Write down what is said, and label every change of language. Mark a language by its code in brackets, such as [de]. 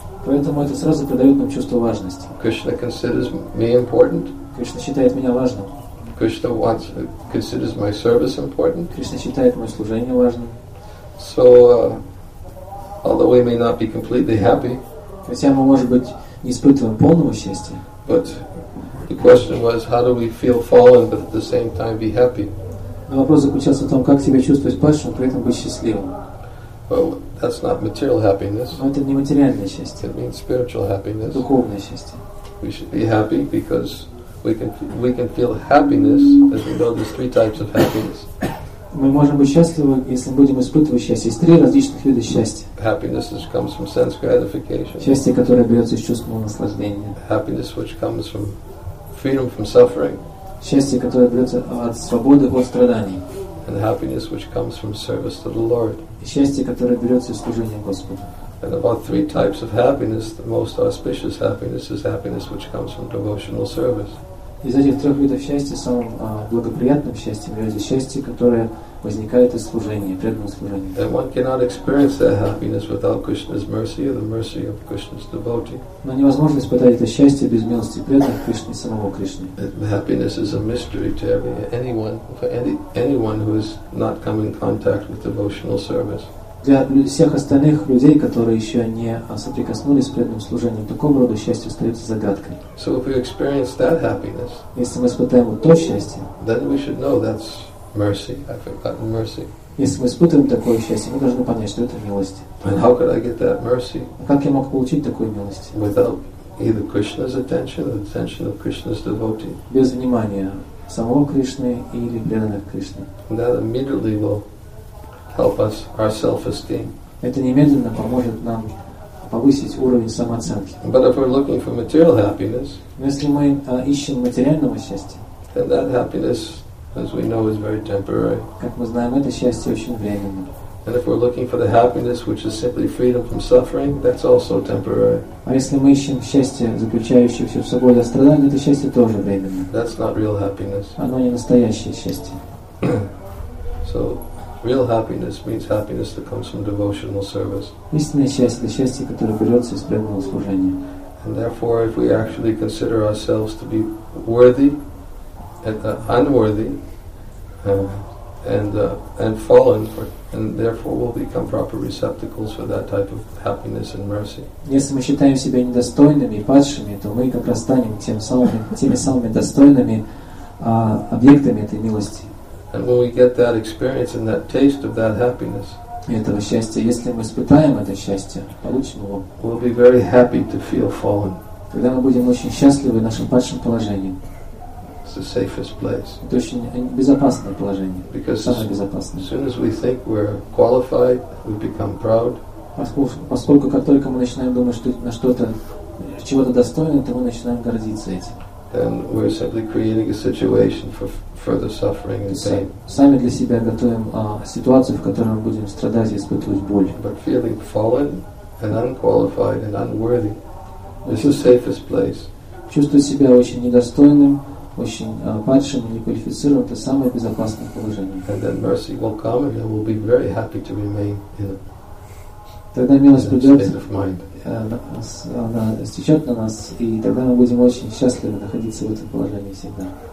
[ru] Поэтому это сразу придает нам чувство важности. [en] Krishna considers me important. [ru] Кришна считает меня важным. [en] Krishna considers my service important. [ru] Кришна считает мое служение важным. [en] So although we may not be completely happy, [ru] хотя мы, может быть, не испытываем полного счастья, [en] but the question was, how do we feel fallen but at the same time be happy? [ru] Но вопрос заключался в том, как себя чувствовать падшим, при этом быть счастливым. [en] Well, that's not material happiness. [ru] Но это не материальное счастье. [en] It means spiritual happiness. [ru] Духовное счастье. [en] We should be happy because we can feel happiness as we know there's three types of happiness. [ru] Мы можем быть счастливы, если будем испытывать счастье. Есть три различных вида счастья. [en] Happiness which comes from sense gratification. [ru] Счастье, которое берется из чувственного наслаждения. [en] Happiness which comes from freedom from suffering. [ru] Счастье, которое берется от свободы от страданий. [en] And happiness which comes from service to the Lord. [ru] И счастье, которое берется из служения Господу. [en] And about three types of happiness, the most auspicious happiness is happiness which comes from devotional service. [ru] Из этих трех видов счастья самым благоприятным счастьем является счастье, которое возникает из служения, преданного служения. [en] And one cannot experience that happiness without Krishna's mercy or the mercy of Krishna's devotee. [ru] Но невозможно испытать это счастье без милости преданных Кришны и самого Кришны. [en] Happiness is a mystery to anyone who has not come in contact with devotional service. [ru] Для всех остальных людей, которые еще не соприкоснулись с преданным служением, такого рода счастье остается загадкой. [en] So if we experience that happiness, [ru] если мы испытаем вот то счастье, [en] then we should know that's mercy. I've forgotten mercy. [ru] Если мы испытываем такое счастье, мы должны понять, что это милость. [en] And how could I get that mercy? [ru] А как я мог получить такую милость? [en] Without either Krishna's attention or the attention of Krishna's devotee. [ru] Без внимания самого Кришны или преданных Кришны. [en] That immediately will help us our self-esteem. [ru] Это немедленно поможет нам повысить уровень самооценки. [en] But if we're looking for material happiness, [ru] но если мы ищем материального счастья, [en] then that happiness, as we know, is very temporary. [ru] Как мы знаем, это счастье очень временно. [en] And if we're looking for the happiness which is simply freedom from suffering, that's also temporary. [ru] А если мы ищем счастье, заключающееся в свободе от страданий, это счастье тоже временное. [en] That's not real happiness. [ru] Оно не настоящее счастье. [en] So, real happiness means happiness that comes from devotional service. [ru] Истинное счастье — это счастье, которое берется из преданного служения. [en] And therefore, if we actually consider ourselves to be worthy and unworthy, and fallen for, and therefore will become proper receptacles for that type of happiness and mercy. [ru] Если мы считаем себя недостойными и падшими, то мы как раз станем теми самыми достойными объектами этой милости. [en] And when we get that experience and that taste of that happiness, [ru] этого счастья, если мы испытаем это счастье, получим его, [en] we'll be very happy to feel fallen. [ru] Тогда мы будем очень счастливы в нашем падшем положении. [en] The safest place. [ru] Это очень безопасное положение. [en] Because [ru] самое безопасное. [en] As soon as we think we're qualified, we become proud. [ru] Поскольку как только мы начинаем думать, что на что-то, чего-то достойны, то мы начинаем гордиться этим. [en] Then we're simply creating a situation for further suffering and pain. [ru] Сами для себя готовим ситуацию, в которой мы будем страдать и испытывать боль. [en] But feeling fallen and unqualified and unworthy is the safest place. [ru] Чувствовать себя очень недостойным, очень падшим и неквалифицированным — это самое безопасное положение. [en] And then mercy will come and we'll be very happy to remain in a state of mind. [ru] Тогда милость придет, стечет на нас, и тогда мы будем очень счастливы находиться в этом положении всегда.